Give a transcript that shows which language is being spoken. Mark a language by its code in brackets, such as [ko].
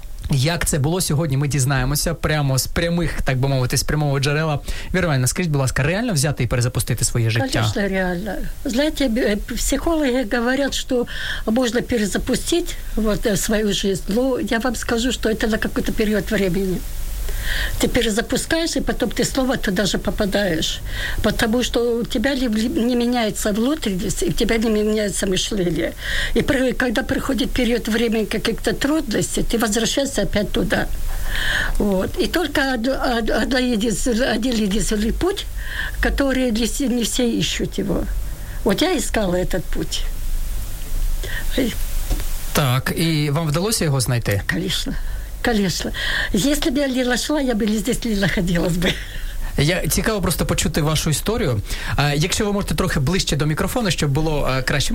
[uk] Як це було сьогодні, ми дізнаємося прямо з прямих, так би мовити, з прямого джерела. Віра Іванівна, скажіть, будь ласка, реально взяти і перезапустити своє життя? Звісно, реально. Знаєте, психологи кажуть, що можна перезапустити свою життя. Ну, я вам скажу, що це на якийсь період часу. [ru] Ты перезапускаешь, и потом ты снова туда же попадаешь. Потому что у тебя не меняется внутренность, и у тебя не меняется мышление. И когда приходит период времени каких-то трудностей, ты возвращаешься опять туда. Вот. И только один единственный путь, который не все ищут его. Вот я искала этот путь. Так, и вам удалось его найти? Конечно. Конечно. Если бы я не нашла, я бы здесь не находилась бы. [uk] Я цікаво просто почути вашу історію. Якщо ви можете трохи ближче до мікрофону, щоб було краще.